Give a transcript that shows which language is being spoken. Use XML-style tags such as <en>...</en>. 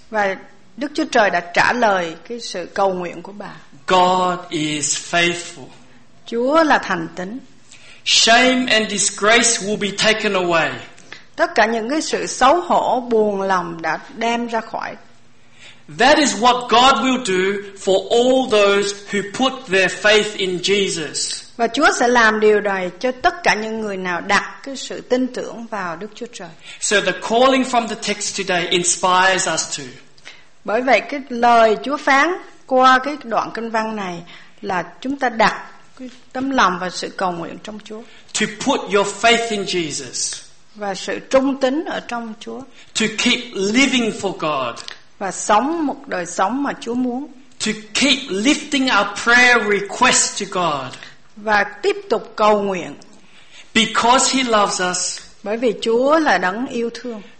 <vi>Và Đức Chúa Trời đã trả lời cái sự cầu nguyện của bà.</vi> <en>God is faithful.</en> <vi>Chúa là thành tín.</vi> <en>Shame and disgrace will be taken away.</en> <vi>Tất cả những cái sự xấu hổ buồn lòng đã đem ra khỏi.</vi> <en>That is what God will do for all those who put their faith in Jesus.</en> <vi>Và Chúa sẽ làm điều này cho tất cả những người nào đặt cái sự tin tưởng vào Đức Chúa Trời.</vi> <en>So the calling from the text today inspires us to.</en> <vi>Bởi vậy cái lời Chúa phán qua cái đoạn kinh văn này là chúng ta đặt cái tấm lòng và sự cầu nguyện trong Chúa.</vi> <en>To put your faith in Jesus.</en> <vi>Và sự trung tín ở trong Chúa.</vi> <en>To keep living for God.</en> <vi>Và sống một đời sống mà Chúa muốn.</vi> <en>To keep lifting our prayer request to God.</en> <vi>Và tiếp tục cầu nguyện.</vi> <en>Because he loves us.</en> <vi>Bởi vì Chúa là đấng yêu thương.</vi>